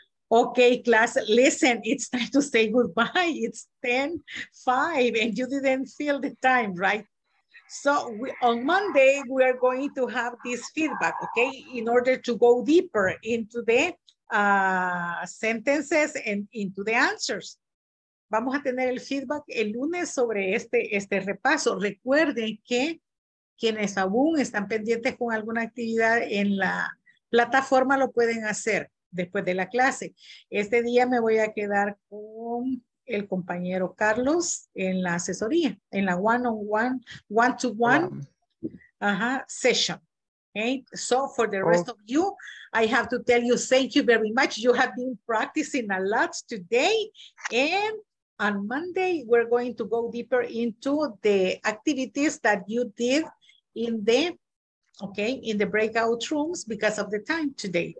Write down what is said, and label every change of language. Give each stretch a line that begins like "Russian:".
English: Okay, class, listen, it's time to say goodbye. It's 10:05 and you didn't feel the time, right? So we, on Monday, we are going to have this feedback, okay? In order to go deeper into the sentences and into the answers.
Spanish: Vamos a tener el feedback el lunes sobre este repaso. Recuerden que quienes aún están pendientes con alguna actividad en la plataforma lo pueden hacer después de la clase. Este día me voy a quedar con el compañero Carlos en la asesoría, en la one-to-one session.
English: Okay, so for the rest of you, I have to tell you, thank you very much. You have been practicing a lot today. And on Monday, we're going to go deeper into the activities that you did in the, okay, in the breakout rooms because of the time today.